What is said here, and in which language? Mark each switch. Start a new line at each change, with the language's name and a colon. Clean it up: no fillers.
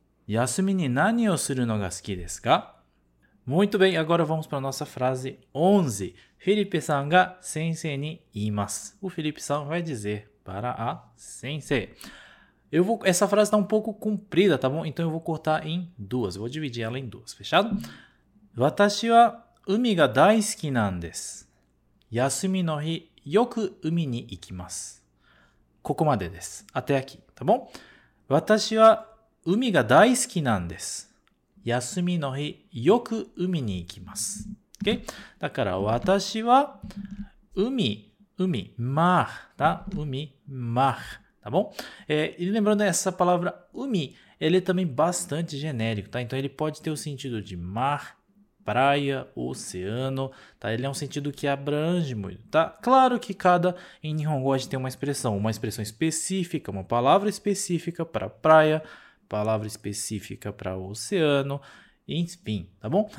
Japanese: Yasumi ni nani o suru no ga suki desu ka?
Portuguese: Muito bem, agora vamos para a nossa frase 11.
Japanese: Felipe-san ga sensei ni imasu.
Portuguese: O Felipe-san vai dizer para a sensei. Essa frase está um pouco comprida, tá bom? Então, eu vou cortar em duas. Eu vou dividir ela em duas, fechado?
Japanese: 私は海が大好きなんです。休みの日、よく海に行きます。ここまでです。
Portuguese: Até aqui, tá bom?
Japanese: 私は海が大好きなんです。休みの日、よく海に行きます。 OK? だから、私は海、マー、
Portuguese: tá?
Japanese: 海、マー。
Portuguese: Tá bom? É, e lembrando, essa palavra umi, ele é também bastante genérico, tá? Então, ele pode ter o sentido de mar, praia, oceano, tá? Ele é um sentido que abrange muito, tá? Claro que cada, em Nihongo, a gente tem uma expressão específica, uma palavra específica para praia, palavra específica para oceano, enfim, tá bom?